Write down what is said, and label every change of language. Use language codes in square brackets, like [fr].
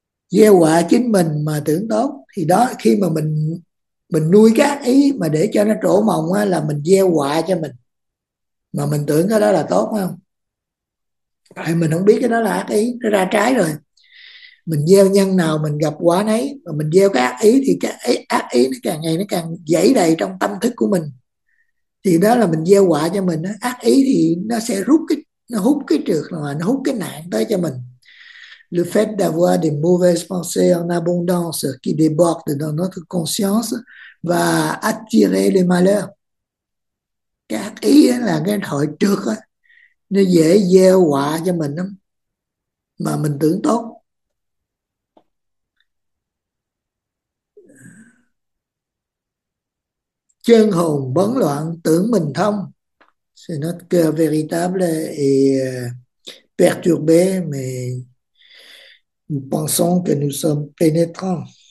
[vi] Gieo quả chính mình mà tưởng tốt thì đó, khi mà mình nuôi cái ác ý mà để cho nó trổ mồng á, là mình gieo quả cho mình mà mình tưởng cái đó là tốt không, tại mình không biết cái đó là ác ý, nó ra trái rồi. Mình gieo nhân nào mình gặp quả nấy, mà mình gieo cái ác ý thì cái ác ý nó càng ngày nó càng dẫy đầy trong tâm thức của mình, thì đó là mình gieo quả cho mình. Ác ý thì nó sẽ rút cái, nó hút cái trược mà nó hút cái nạn tới cho mình. [fr] Le fait d'avoir des mauvaises pensées en abondance qui débordent dans notre conscience va attirer les malheurs. [vi] Cái ác ý là cái hội trược á, nó dễ gieo họa cho mình lắm mà mình tưởng tốt. Chân hồn bấn loạn tưởng mình thông, [fr] c'est notre cœur véritable et perturbé mais nous pensons que nous sommes pénétrants.